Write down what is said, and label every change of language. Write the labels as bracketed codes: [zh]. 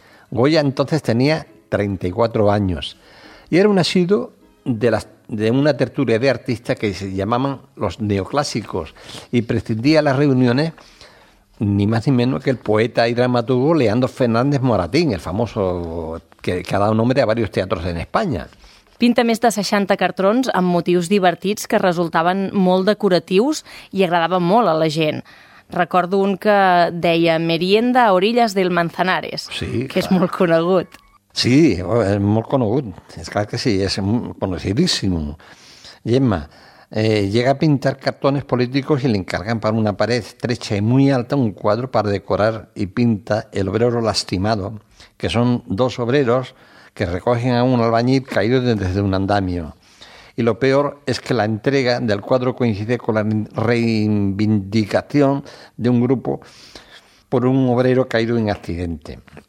[es] Goya entonces tenía 34 años y era un asiduo de una tertulia de artistas que se llamaban los neoclásicos y prescindía las reuniones ni más ni menos que el poeta y dramaturgo Leandro Fernández Moratín, el famoso que ha dado nombre a varios teatros en España. [ca] Pinta més de 60 cartrons amb motius divertits que resultaven molt decoratius i agradaven molt a la gent. Recordo un que deia Merienda a orillas del Manzanares, sí, que clar. És molt conegut. Sí, és molt conegut, és clar que sí, és conocidíssim. [es] Gemma, llega a pintar cartones políticos y le encargan para una pared estrecha y muy alta un cuadro para decorar y pinta El obrero lastimado, que son dos obreros que recogen a un albañil caído desde un andamio. Y lo peor es que la entrega del cuadro coincide con la reivindicación de un grupo por un obrero caído en accidente.